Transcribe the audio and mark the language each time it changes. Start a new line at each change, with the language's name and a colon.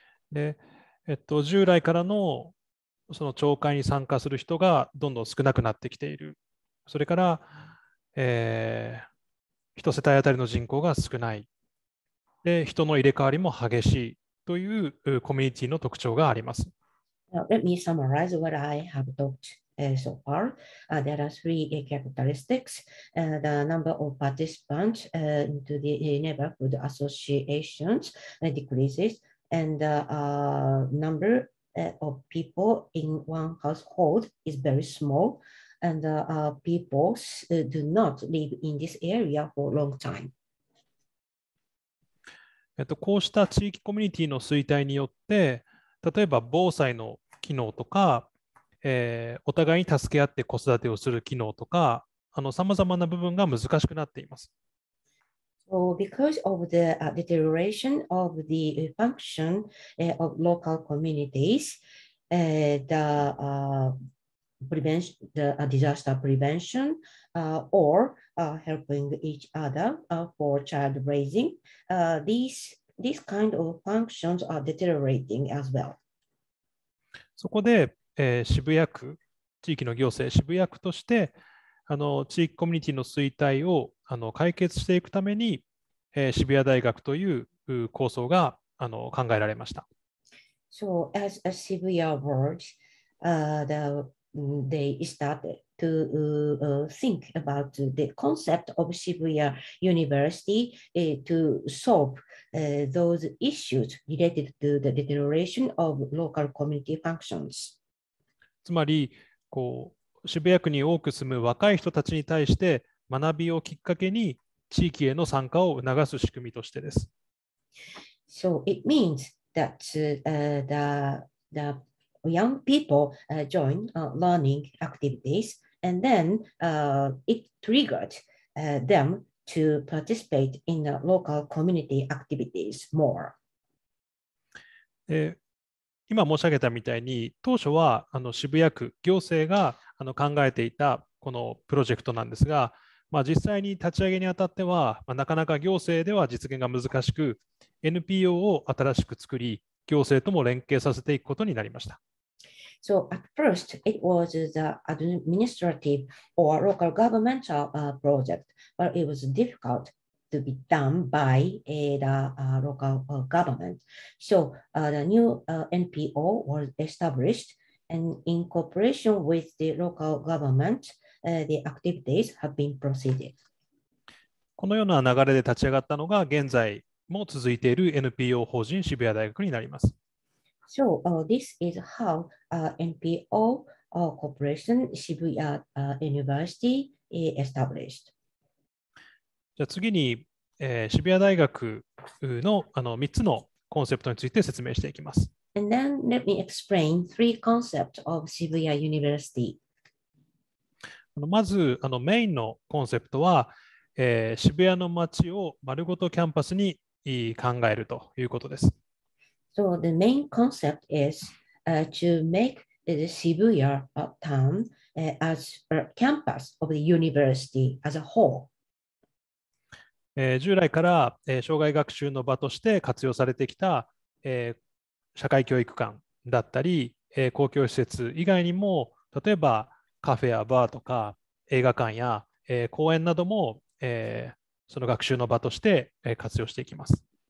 Japanese: で従来からのその町会に参加する人がどんどん少なくなってきている。それから、一世帯あたりの人口が少ない。で、人の入れ替わりも激しいというコミュニティの特徴があります。
English: Let me summarize what I have talked so far. There are three characteristics. The number of participants into the neighborhood associations decreases. And number of people in one household is very small, and people do not live in this area for a long time.
Japanese: こうした地域コミュニティの衰退によって、例えば防災の機能とか、お互いに助け合って子育てをする機能とか、さまざまな部分が難しくなっています。
English: So because of the deterioration of the function of local communities, disaster prevention or helping each other for child raising, these kind of functions are deteriorating as well.
Japanese: そこで、渋谷区、地域の行政、渋谷区として地域コミュニティの衰退を解決していくために、渋谷大学という構想が考えられました。
English: So, as a Shibuya Ward, they started to think about the concept of Shibuya University to solve those issues related to the deterioration of local community functions.
Japanese: つまり、こう渋谷区に多く住む若い人たちに対して学びをきっかけに地域への参加を促す仕組みとしてです。
English: So it means that the young people join learning activities and then it triggered them to participate in the local community activities more.
Japanese: 今申し上げたみたいに当初は渋谷区行政が考えていたこのプロジェクトなんですが、まあ、実際に立ち上げにあたっては、まあ、なかなか行政では実現が難しく、NPO を新しく作り、行政とも連携させていくことになりました。
English: So at first, it was the administrative or local governmental project, but it was difficult. to be done by the local government. So the new NPO was established, and in cooperation with the local government, the activities have been proceeded.
Japanese: このような流れで立ち上がったのが現在も続いている NPO 法人渋谷大学になります。
English: So this is how NPO Corporation Shibuya University established.
Japanese: じゃあ次に、渋谷大学 の, あの3つのコンセプトについて説明していきます。
English: And then let me explain three concepts of Shibuya University.
Japanese: まずあのメインのコンセプトは、渋谷の街を丸ごとキャンパスに考えるということです。
English: So the main concept is to make the Shibuya town as a campus of the university as a whole.
Japanese: 従来から障害学習の場として活用されてきた社会教育館だったり公共施設以外にも例えばカフェやバーとか映画館や公園などもその学習の場として活用していきます。